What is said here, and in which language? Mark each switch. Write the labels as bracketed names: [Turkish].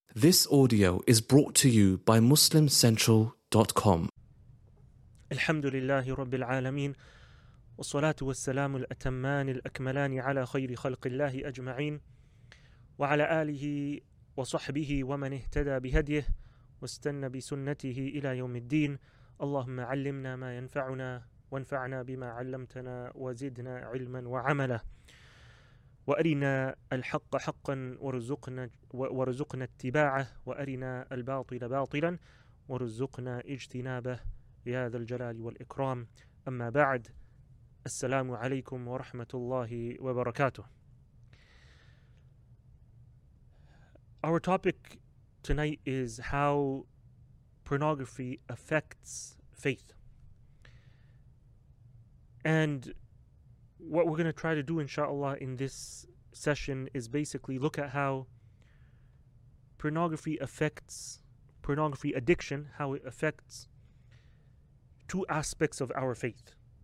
[English] This audio is brought to you by MuslimCentral.com. [Arabic] الحمد لله رب العالمين والصلاة والسلام الأتمان الأكملان على خير خلق الله أجمعين وعلى آله وصحبه ومن اهتدى بهديه واستنى بسنته إلى يوم الدين. اللهم علمنا ما ينفعنا وانفعنا بما علمتنا وزدنا علما وعملا وأرنا الحق حقا وارزقنا اتباعه وأرنا الباطل باطلا وارزقنا اجتنابه يا ذا الجلال والإكرام. أما بعد, السلام عليكم ورحمة الله وبركاته. [English] Our topic tonight is how pornography affects faith. And what we're going to try to do, inshallah, in this session is basically look at how pornography affects, pornography addiction, how it affects two aspects of our faith.